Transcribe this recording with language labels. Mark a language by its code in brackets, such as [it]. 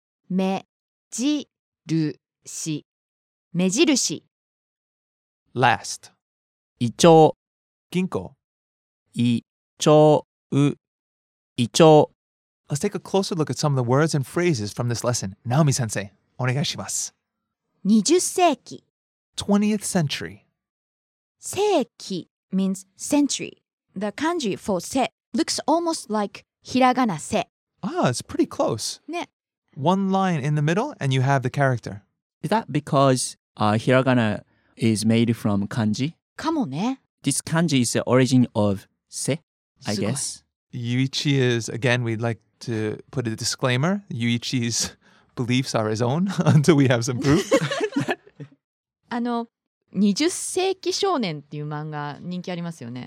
[ja] 目印、目印。 [en] Last. [ja] イチョウ [en] Ginkgo. [ja] イチョウ イチョウ [en] Let's take a closer look at some of the words and phrases from this lesson. [ja] Naomi sensei, お願いします。 20世紀 [en] 20th century. 世紀 means century. The kanji for se looks almost like hiragana se. Ah, it's pretty close. [ja] ね。 [en] One line in the middle and you have the character. Is that because hiragana... is made from kanji. [ja] かもね。 [en] This kanji is the origin of se, I guess. Yuichi is, again, we'd like to put a disclaimer. Yuichi's beliefs are his own until we have some proof. [ja] あの、20世紀少年っていう漫画人気ありますよね。